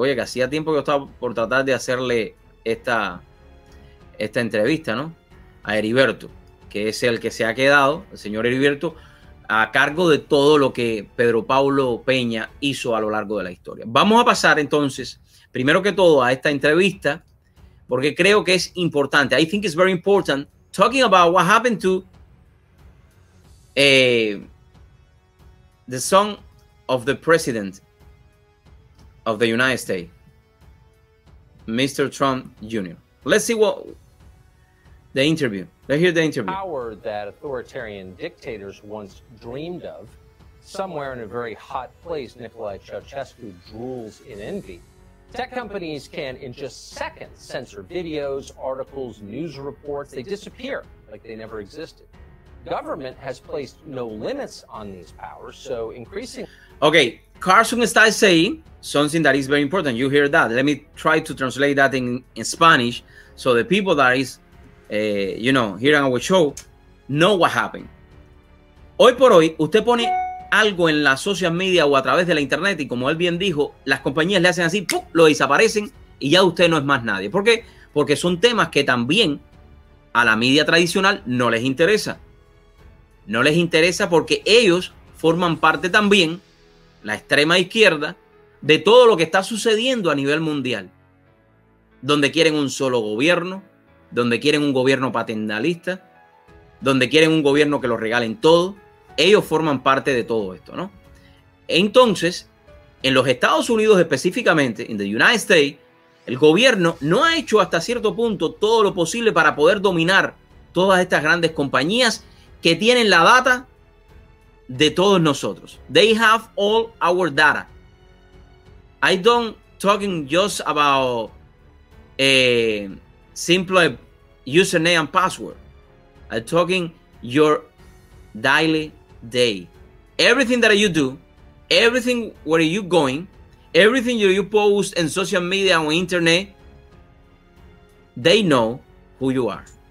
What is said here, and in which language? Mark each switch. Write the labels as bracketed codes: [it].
[es] Oye, que hacía tiempo que yo estaba por tratar de hacerle esta entrevista, ¿no? A Heriberto, que es el que se ha quedado, el señor Heriberto, a cargo de todo lo que Pedro Pablo Peña hizo a lo largo de la historia. Vamos a pasar entonces, primero que todo, a esta entrevista, porque creo que es importante. [en] I think it's very important talking about what happened to the son of the president of the United States, Mr. Trump Jr. Let's see what the interview. Let's hear the interview. Power that authoritarian dictators once dreamed of, somewhere in a very hot place, Nicolae Ceaușescu drools in envy. Tech companies can, in just seconds, censor videos, articles, news reports. They disappear like they never existed. Government has placed no limits on these powers, so increasingly... Okay, Carson está saying something that is very important. You hear that. Let me try to translate that in Spanish so the people that is, you know, here on our show know what happened. [es] Hoy por hoy, usted pone algo en la social media o a través de la internet y, como él bien dijo, las compañías le hacen así, ¡pum!, lo desaparecen y ya usted no es más nadie. ¿Por qué? Porque son temas que también a la media tradicional no les interesa. No les interesa porque ellos forman parte también, la extrema izquierda, de todo lo que está sucediendo a nivel mundial. Donde quieren un solo gobierno, donde quieren un gobierno paternalista, donde quieren un gobierno que lo regalen todo. Ellos forman parte de todo esto, ¿no? Entonces, en los Estados Unidos específicamente, en the United States, el gobierno no ha hecho hasta cierto punto todo lo posible para poder dominar todas estas grandes compañías que tienen la data de todos nosotros. [en] They have all our data. I don't talking just about a simple username and password. I'm talking your daily day. Everything that you do, everything where you going, everything you post in social media and on internet, they know who you are.